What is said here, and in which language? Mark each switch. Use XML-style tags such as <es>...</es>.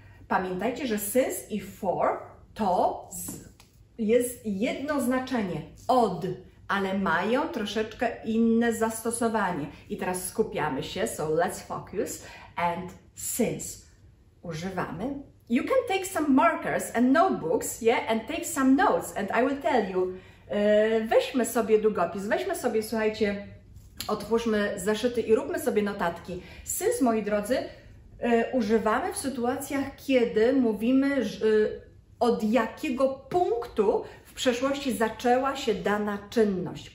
<pl>Pamiętajcie, że since i for to jest jedno znaczenie od, ale mają troszeczkę inne zastosowanie. I teraz skupiamy się,</pl> <en>so let's focus, and</en> <pl>since używamy.</pl> <en>You can take some markers and notebooks, yeah, and take some notes, and I will tell you.</en> <pl>Weźmy sobie długopis, weźmy sobie, słuchajcie, otwórzmy zeszyty i róbmy sobie notatki. Since, moi drodzy, używamy w sytuacjach, kiedy mówimy, od jakiego punktu w przeszłości zaczęła się dana czynność.</pl>